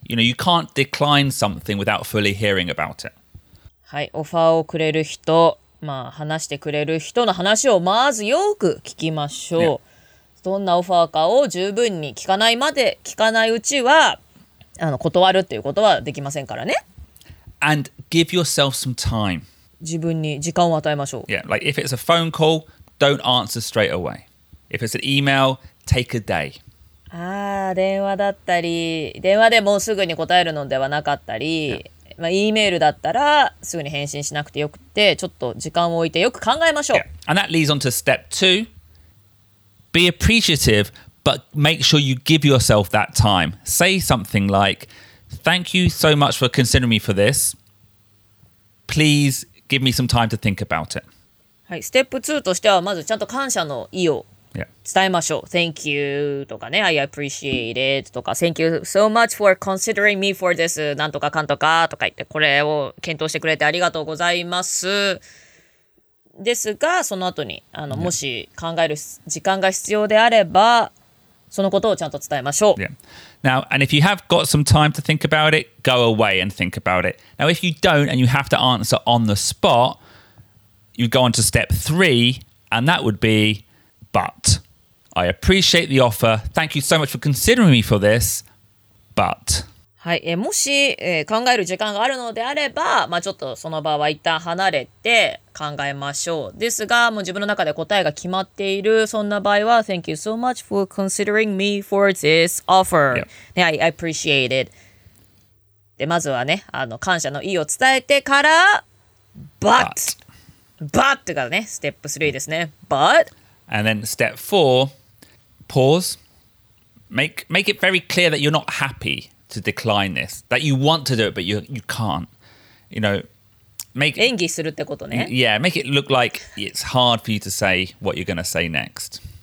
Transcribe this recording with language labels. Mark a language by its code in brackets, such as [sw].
[en] You know, you can't decline something without fully hearing about it. [ja] はい、オファーをくれる人、まあ、話してくれる人の話をまずよく聞きましょう。どんなオファーかを十分に聞かないまで、聞かないうちは、断るっていうことはできませんからね。 [en] And give yourself some time. [ja] 自分に時間を与えましょう。 [en] Yeah, like if it's a phone call, don't answer straight away. If it's an email, take a day. [ja] ああ、電話だったり、電話でもうすぐに答えるのではなかったり、まあ、E メールだったらすぐに返信しなくてよくて、ちょっと時間を置いてよく考えましょう。 [en] Yeah. And that leads on to step two. Be appreciative, but make sure you give yourself that time. Say something like, thank you so much for considering me for this. Please give me some time to think about it. [ja] はい、ステップ2としてはまずちゃんと感謝の意を伝えましょう。 [en] Yeah. [ja] Thank you とかね、 I appreciate it とか、 Thank you so much for considering me for this なんとかかんとかとか言って、これを検討してくれてありがとうございます。ですが、その後にyeah. もし考える時間が必要であれば、そのことをちゃんと伝えましょう。 [en] Yeah. Now, and if you have got some time to think about it, go away and think about it. Now, if you don't and you have to answer on the spot, you go on to step three, and that would be. But I appreciate the offer. Thank you so much for considering me for this. But [ja] はい、もし、考える時間があるのであれば、まあちょっとその場は一旦離れて考えましょう。ですが、もう自分の中で答えが決まっているそんな場合は、 Thank you so much for considering me for this offer. [en] Yeah, I appreciate it. [ja] でまずはね、感謝の意を伝えてから、But っていうかね、ステップ3ですね。 [en] But And then step four, pause. Make it very clear that you're not happy to decline this. That you want to do it, but you can't. You know, make [ja] 演技するってことね。 [en] Yeah, make it look like it's hard for you to say what you're going to say next.